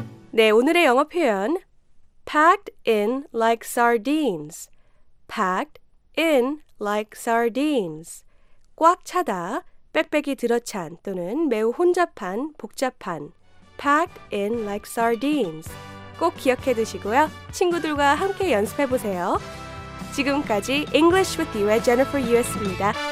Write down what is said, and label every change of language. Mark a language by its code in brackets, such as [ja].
[ko] 네, 오늘의 영어 표현 [en] Packed in like sardines. Packed in like sardines. [ko] 꽉 차다, 빽빽이 들어찬 또는 매우 혼잡한, 복잡한. [en] Packed in like sardines. [ko] 꼭 기억해 두시고요. 친구들과 함께 연습해 보세요. 지금까지 English with you의 Jennifer U였습니다.